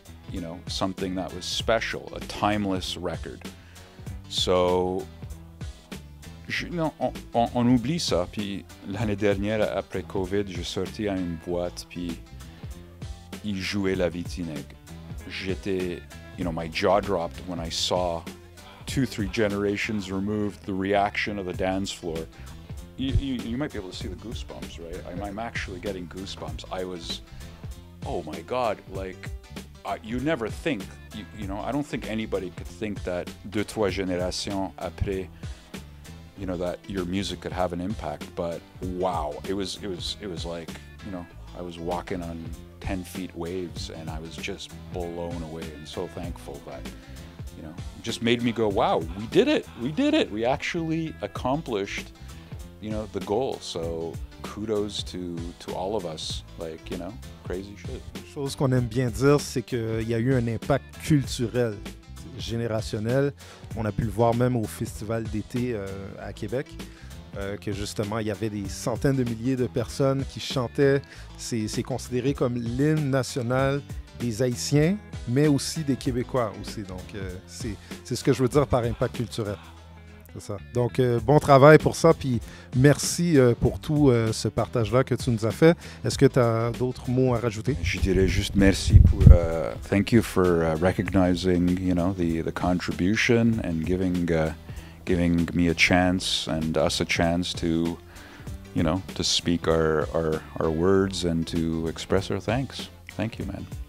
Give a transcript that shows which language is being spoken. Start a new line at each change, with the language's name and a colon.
English: You know, something that was special, a timeless record.
French: So, on oublie ça. Puis l'année dernière, après COVID, je sortis à une boîte, puis ils jouaient la Vi Ti Neg. J'étais,
English: you know, my jaw dropped when I saw 2-3 generations removed the reaction of the dance floor. You might be able to see the goosebumps, right? I'm actually getting goosebumps. I was, oh my God, like, you never think, you know, I don't think anybody could think that 2-3
French: générations après,
English: you know, that your music could have an impact. But wow, it was like, you know, I was walking on 10 feet waves and I was just blown away and so thankful that, you know, it just made me go, wow, we did it. We actually accomplished, you know, the goal. So kudos to all of us, like, you know, crazy shit.
French: Chose qu'on aime bien dire, c'est qu'il y a eu un impact culturel, générationnel. On a pu le voir même au festival d'été à Québec, que justement, il y avait des centaines de milliers de personnes qui chantaient. C'est considéré comme l'hymne national des Haïtiens, mais aussi des Québécois aussi. Donc, c'est ce que je veux dire par impact culturel. C'est ça. Donc, bon travail pour ça, puis merci pour tout ce partage-là que tu nous as fait. Est-ce que tu as d'autres mots à rajouter? Je dirais juste merci pour...
English: thank you for recognizing, you know, the contribution and giving me a chance and us a chance to, you know, to speak our words and to express our thanks. Thank you, man.